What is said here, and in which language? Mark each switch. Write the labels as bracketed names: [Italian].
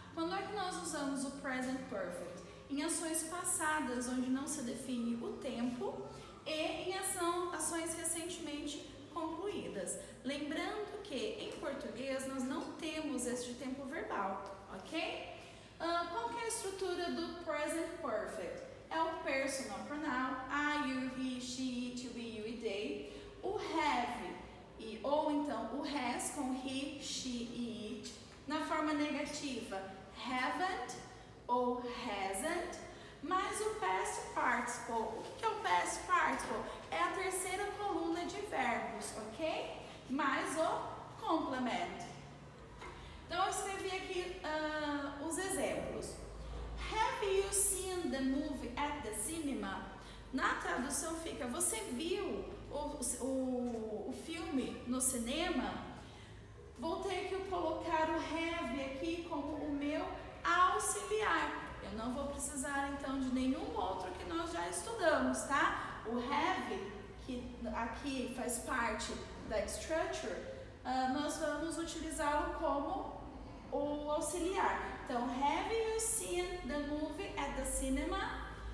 [Portuguese] Quando é que nós usamos o present perfect? Em ações passadas, onde não se define o tempo, e em ações recentemente concluídas. Lembrando que em português nós não temos este tempo verbal, ok? Qual que é a estrutura do present perfect? É o personal pronoun, I, you, he, she, it, we, you e they. O have, e, ou então o has com he, she e it. Na forma negativa, haven't ou hasn't. Mas o past participle. O que é o past participle? É a terceira coluna de verbos, ok? Mais o complement. Então, eu escrevi aqui os exemplos. [English] Have you seen the movie at the cinema? [Portuguese] Na tradução fica, você viu o filme no cinema? Vou ter que colocar o have aqui como o meu auxiliar. Eu não vou precisar, então, de nenhum outro que nós já estudamos, tá? O have, que aqui faz parte da structure, nós vamos utilizá-lo como o auxiliar. Então, [English] have you seen the movie at the cinema?